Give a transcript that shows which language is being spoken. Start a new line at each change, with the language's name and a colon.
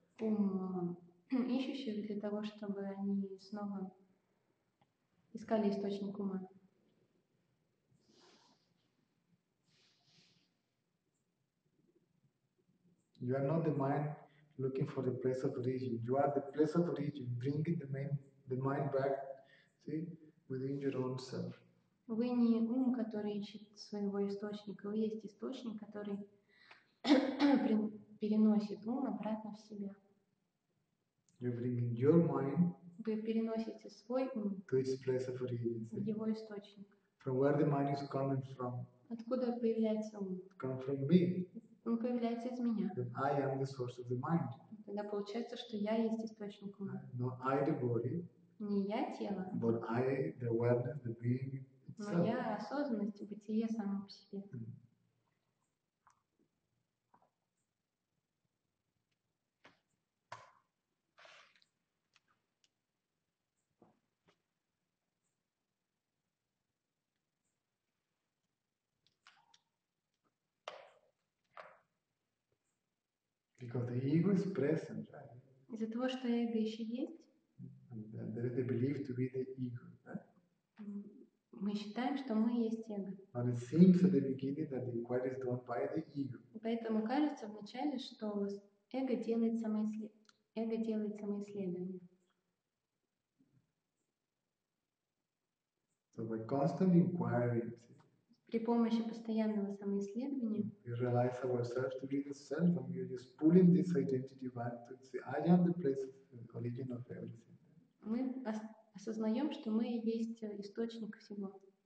Russian: Ум ищущих для того, чтобы они снова искали источник ума.
English: You are not the mind looking for the place of origin. You are the place of origin, bringing the mind back, see, within your own self.
Russian: Вы не ум, который ищет своего источника. Вы есть источник, который переносит ум обратно в себя.
English: You're bringing your mind.
Russian: Вы переносите свой ум
English: to its place of origin,
Russian: в его источник.
English: From where the mind is coming from.
Russian: Откуда появляется ум?
English: Come from me.
Russian: Он появляется из меня.
English: Then I am the source of the mind.
Russian: Тогда получается, что я есть источник ума.
English: No, I the body.
Russian: Не я тело.
English: But I the awareness, the being itself.
Russian: Моя осознанность, бытие само по себе.
English: Because the ego is present, right?
Russian: Из-за того, что эго еще есть,
English: there is the belief to be the ego, right?
Russian: Мы считаем, что мы есть эго.
English: But it seems at the beginning that the inquiry is done by the ego.
Russian: Поэтому кажется вначале, что эго делает самоисследование.
English: So by constant inquiring.
Russian: При помощи постоянного самоисследования
English: we realize ourselves to be the self and we're just pulling this identity back to say, I am the place of the origin of everything.
Russian: Мы осознаем, что мы есть источник всего.